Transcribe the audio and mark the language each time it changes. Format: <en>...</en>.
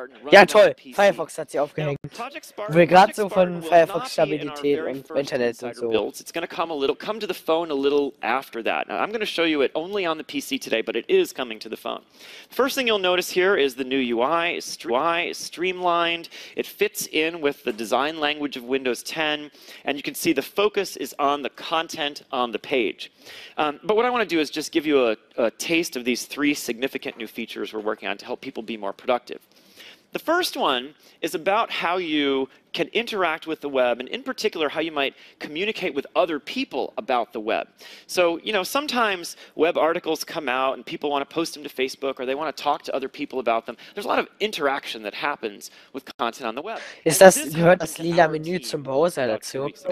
<de>Ja, toll, Firefox hat sie aufgehängt. Wir gerade so von Firefox-Stabilität und Internet und so.</de> <en>It's gonna come a little, come to the phone a little after that. Now, I'm gonna show you it only on the PC today, but it is coming to the phone. First thing you'll notice here is the new UI, is streamlined. It fits in with the design language of Windows 10, and you can see the focus is on the content on the page. But what I want to do is just give you a taste of these three significant new features we're working on to help people be more productive. The first one is about how you can interact with the web, and in particular, how you might communicate with other people about the web. So, you know, sometimes web articles come out and people want to post them to Facebook or they want to talk to other people about them. There's a lot of interaction that happens with content on the web.</en> <de>Ist das, gehört das lila Menü zum Browser dazu?</de>